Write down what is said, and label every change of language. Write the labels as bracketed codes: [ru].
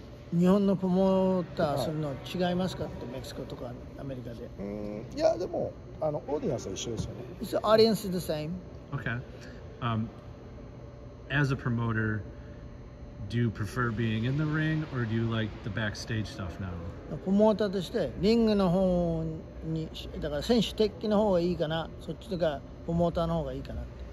[ja] 日本のプロモーターするの違いますかって、メキシコとかアメリカで。いや、でも、あのオーディエンスは一緒ですよね。 [en] So, audience is the same. Okay. As a promoter,Do you prefer being in the ring or do you like the backstage stuff now? [ja] プロモーターとしてリングの方にだから選手的の方がいいかな、そっちとかプロモーターの方がいいかなって。